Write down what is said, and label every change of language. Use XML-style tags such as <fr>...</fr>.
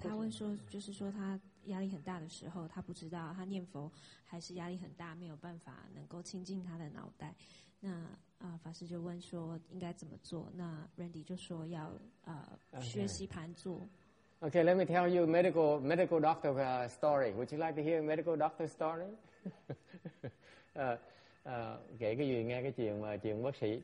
<zh>他问说，就是说他压力很大的时候， 他不知道他念佛还是压力很大，没有办法能够清静他的脑袋。那法师就问说应该怎么做？那Randy就说要学习盘坐。</zh> <en>Okay, let me tell you a medical doctor story. Would you like to hear a medical doctor story?</en> <vi>kể cái gì nghe cái chuyện mà chuyện bác sĩ.</vi>